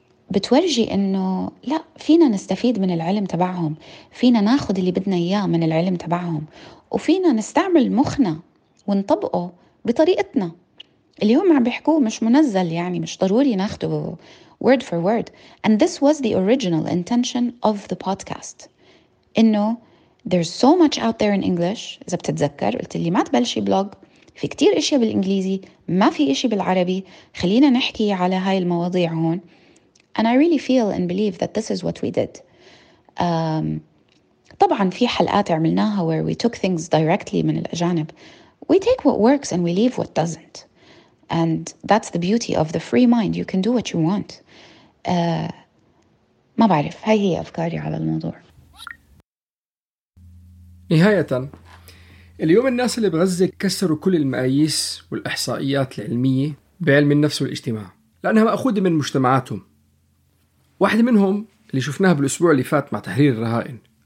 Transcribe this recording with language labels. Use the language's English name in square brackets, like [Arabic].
[Arabic] بتورجي أنه لا فينا نستفيد من العلم تبعهم فينا ناخد اللي بدنا إياه من العلم تبعهم وفينا نستعمل مخنا ونطبقه بطريقتنا اللي هم عم بيحكوه مش منزل يعني مش ضروري ناخده [English] word for word and this was the original intention of the podcast [Arabic] إنه [English] there's so much out there in English [Arabic] إذا بتتذكر قلت اللي ما تبلشي بلوج في كتير إشياء بالإنجليزي ما في إشي بالعربي خلينا نحكي على هاي المواضيع هون [English] and I really feel and believe that this is what we did [Arabic] طبعا في حلقات عملناها [English] where we took things directly [Arabic] من الأجانب [English] We take what works and we leave what doesn't. And that's the beauty of the free mind. You can do what you want. [Arabic] ما بعرف. هاي هي أفكاري على الموضوع. نهاية. اليوم الناس اللي بغزة كسروا كل المقاييس والإحصائيات العلمية بعلم النفس والاجتماع. لأنها مأخوذة من مجتمعاتهم. واحد منهم اللي شفناها بالأسبوع اللي فات مع تحرير الرهائن.